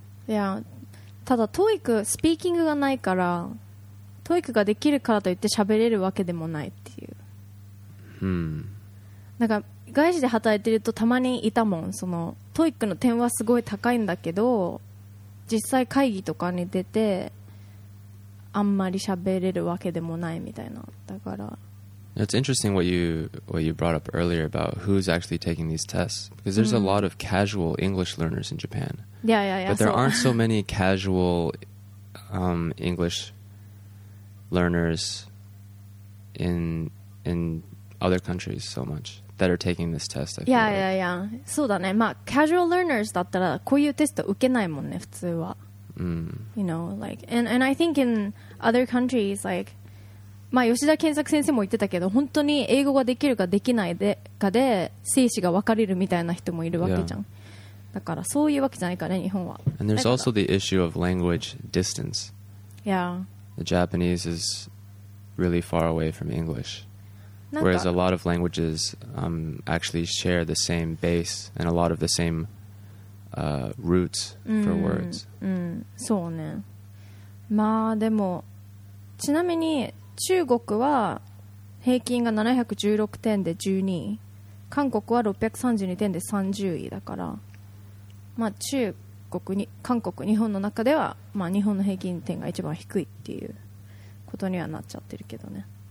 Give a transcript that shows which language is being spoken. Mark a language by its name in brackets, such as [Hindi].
[Japanese] いや、ただ TOEIC スピーキングがないから、トイックができるからといって喋れるわけでもないっていう。なんか外資で働いてるとたまにいたもん、そのトイックの点はすごい高いんだけど、実際会議とかに出てあんまり喋れるわけでもないみたいな。だから [English] It's interesting what you brought up earlier about who's actually taking these tests, because there's a lot of casual English learners in Japan. Yeah. But there aren't so many casual English learners in other countries so much that are taking this test. [Japanese] Yeah. そうだね。まあ、 [English] casual learners [Japanese] だったらこういうテスト受けないもんね、普通は。 [English] You know, like, and I think in other countries, like, [Japanese] まあ、吉田健作先生も言ってたけど、本当に英語ができるかできないでかで、生死が分かれるみたいな人もいるわけじゃん。だからそういうわけじゃないからね、日本は。 [English] And there's also the issue of language distance. Yeah. The Japanese is really far away from English, whereas a lot of languages actually share the same base and a lot of the same roots for words. [Japanese] そうね。まあでも、ちなみに中国は平均が716点で12位、韓国は632点で30位だから、まあ中国韓国、日本の中では、まあ、日本の平均点が一番低いっていうことにはなっちゃってるけどね。